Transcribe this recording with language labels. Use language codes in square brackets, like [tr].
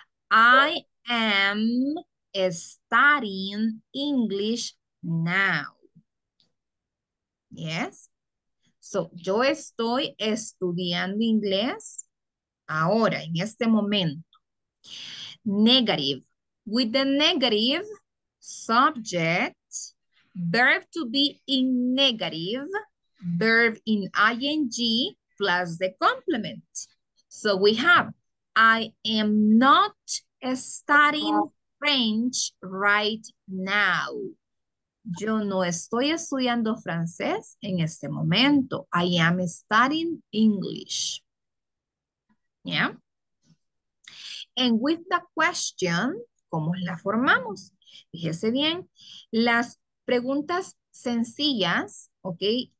[en] I am studying English now. Yes? [es] So, yo estoy estudiando inglés ahora, en este momento. [en] Negative. With the negative subject, verb to be in negative, verb in ing plus the complement. So we have, I am not studying French right now. [es] Yo no estoy estudiando francés en este momento. [en] I am studying English. Yeah? And with the question, [es] ¿cómo la formamos? Fíjese bien, las preguntas sencillas, ¿ok?